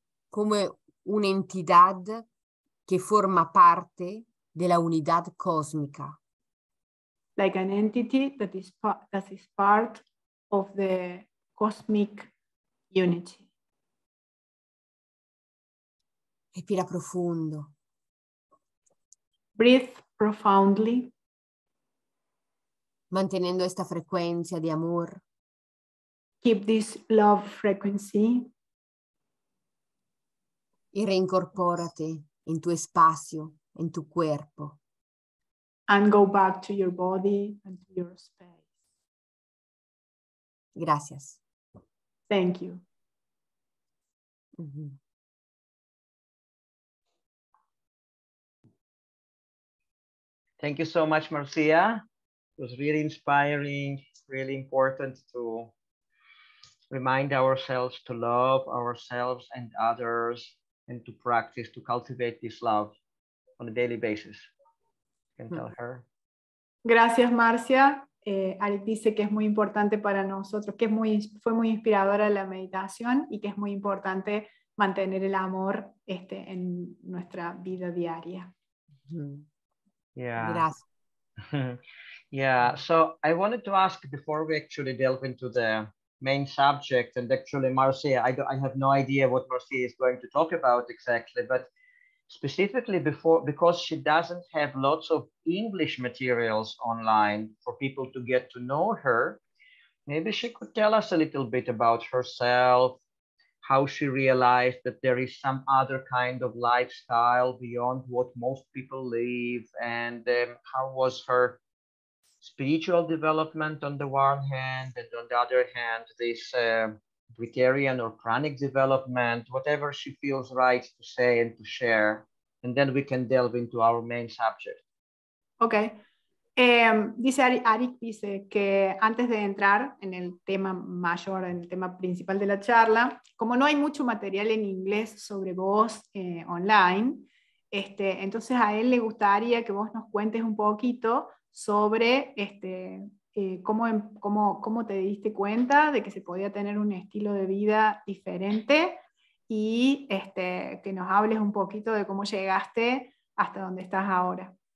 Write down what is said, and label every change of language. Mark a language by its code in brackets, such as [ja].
[es] Como una entidad que forma parte de la unidad cósmica. [en] Like an entity that is part of the cosmic unity. [es] Respira profundo. [en] Breathe profoundly. [es] Mantenendo esta frecuencia di amor. [en] Keep this love frequency. [it] E reincorporati in tuo spazio, in tuo cuerpo. [en] And go back to your body and to your space. [es] Gracias. [en] Thank you. Thank you so much, Marzia. It was really inspiring, really important to remind ourselves to love ourselves and others and to practice, to cultivate this love on a daily basis. [es] Gracias, Marzia. Arik dice que es muy importante para nosotros, que fue muy inspiradora la meditación y que es muy importante mantener el amor en nuestra vida diaria. [en] Yeah. Yeah. So I wanted to ask before we actually delve into the main subject, and actually, Marzia, I have no idea what Marzia is going to talk about exactly, but specifically because she doesn't have lots of English materials online for people to get to know her, maybe she could tell us a little bit about herself, how she realized that there is some other kind of lifestyle beyond what most people live, and how was her spiritual development on the one hand, and on the other hand, this Bretarian or pranic development, whatever she feels right to say and to share, and then we can delve into our main subject. Okay. [es] Dice Arik dice que antes de entrar en el tema mayor, en el tema principal de la charla, como no hay mucho material en inglés sobre vos online, entonces a él le gustaría que vos nos cuentes un poquito sobre cómo te diste cuenta de que se podía tener un estilo de vida diferente y que nos hables un poquito de cómo llegaste hasta donde estás ahora.